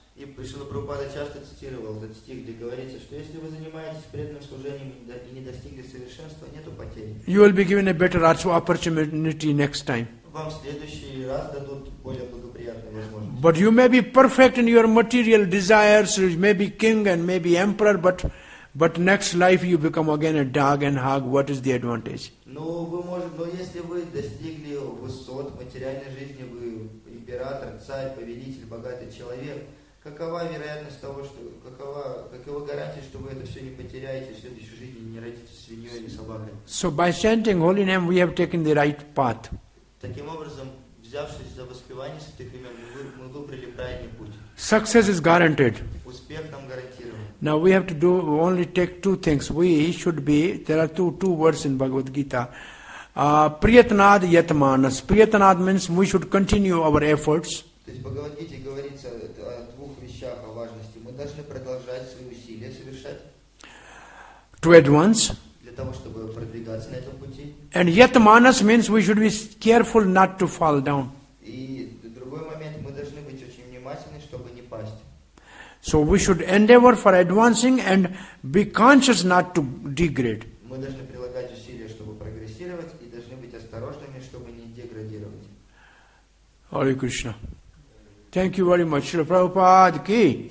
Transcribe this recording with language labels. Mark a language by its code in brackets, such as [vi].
[ru] И Шрила Прабхупада часто цитировал этот стих, где говорится, что если вы занимаетесь преданным служением и не достигли совершенства, нету потери. [en] You will be given a better opportunity next time. [ru] Вам в следующий раз дадут более благоприятную возможность. [en] But you may be perfect in your material desires, you may be king and may be emperor, but next life you become again a dog and hog, what is the advantage? [ru] Но если вы достигли высот в материальной жизни, вы император, царь, повелитель, богатый человек, какова вероятность того, что какова гарантия, что вы это все не потеряете в следующей жизни, не родитесь свиньей или собакой? [en] So by chanting holy name we have taken the right path. [ru] Таким образом, взявшись за воспевание святых имен, мы выбрали правильный путь. [en] Success is guaranteed. [ru] Успех нам гарантирован. [en] Now we have to do only take two things. There are two words in Bhagavad Gita. Priyatanad yatmanas. Priyatanad means we should continue our efforts. [ru] То есть в Бхагавад Гите говорится о двух вещах, о важности. Мы должны продолжать свои усилия совершать. [en] To advance. [ru] Для того, чтобы продвигаться на этом пути. [en] And yatmanas means we should be careful not to fall down. [ru] И другой момент, мы должны быть очень внимательны, чтобы не пасть. [en] So we should endeavor for advancing and be conscious not to degrade. [ru] Мы должны прилагать усилия, чтобы прогрессировать, и должны быть осторожными, чтобы не деградировать. [en] Hare Krishna. Thank you very much. Shri Prabhupada ki.